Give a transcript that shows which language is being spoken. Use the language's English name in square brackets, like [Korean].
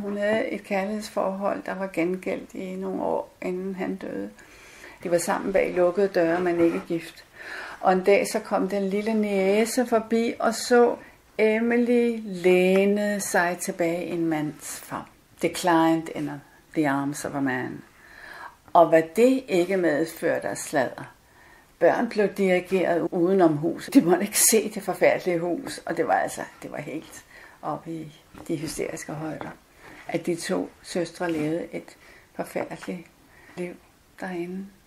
[Danish] Hun havde et kærlighedsforhold, der var gengældt i nogle år, inden han døde. De var sammen bag lukkede døre, men ikke gift. Og en dag så kom den lille næse forbi og så Emily læne sig tilbage i en mands fam. [English] Declined in the arms of a man. [Danish] Og hvad det ikke medførte af sladder. Børn blev dirigeret udenom hus. De måtte ikke se det forfærdelige hus, og det var helt oppe i de hysteriske højder, at de to søstre levede et forfærdeligt liv derinde.